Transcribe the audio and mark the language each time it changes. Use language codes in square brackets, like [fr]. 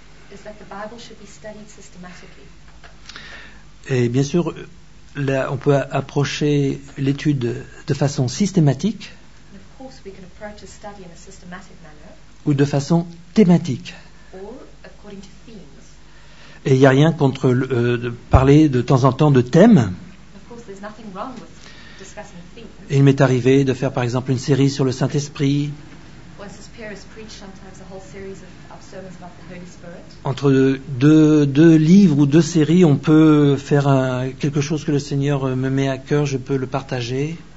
[en] Is that the Bible should be studied systematically. [fr] Et bien sûr, là, on peut approcher l'étude de façon systématique. [en] We can approach a study in a systematic manner, [fr] ou de façon thématique. [en] Or according to themes. [fr] Et il n'y a rien contre de parler de temps en temps de thèmes. [en] Of course, there's nothing wrong with discussing themes. [fr] Et il m'est arrivé de faire par exemple une série sur le Saint-Esprit. [en] Once this pair has preached sometimes a whole series of sermons about the Holy Spirit. [fr] Entre deux livres ou deux séries, on peut faire quelque chose que le Seigneur me met à cœur, je peux le partager.